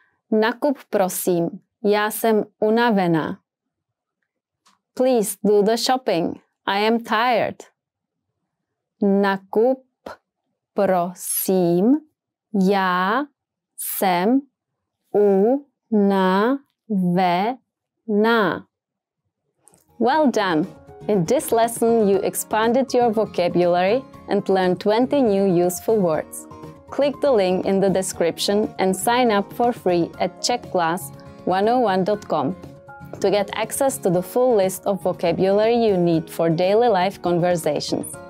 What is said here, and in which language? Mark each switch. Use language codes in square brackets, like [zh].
[cs] Nakup prosím, já jsem unavená. [en] Please do the shopping, I am tired. [cs] Nakup prosím, já jsem unavená. [en] Well done! In this lesson, you expanded your vocabulary and learned 20 new useful words. Click the link in the description and sign up for free at czechclass101.com to get access to the full list of vocabulary you need for daily life conversations.